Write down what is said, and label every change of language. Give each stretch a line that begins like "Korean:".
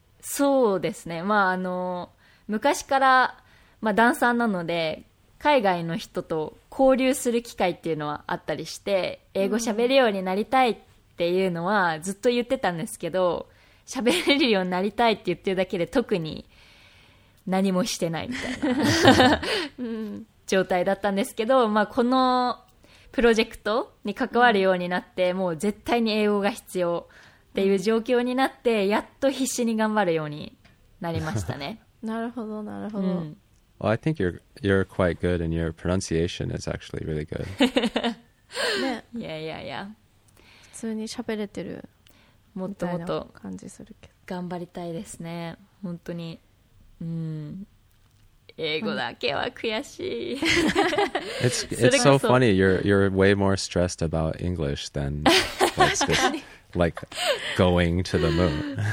Japanese: そうですね、まあ昔から、まあ、ダンサーなので海外の人と交流する機会っていうのはあったりして英語喋るようになりたいっていうのはずっと言ってたんですけど、喋れるようになりたいって言ってるだけで特に何もしてないみたいな状態だったんですけど、まあ、このプロジェクトに関わるようになって、うん、もう絶対に英語が必要っていう状況になって、うん、やっと必死に頑張るようになりましたね。なるほど、なるほど。うん、
English: well, I think you're quite good and your pronunciation is actually really good.
Japanese: ね。いやいやいや。普通に喋れてるみたいな感じするけど。もっともっと頑張りたいですね。本当に。うん、英語だけは悔しい。
English: it's so funny. You're way more stressed about English than like going to the moon.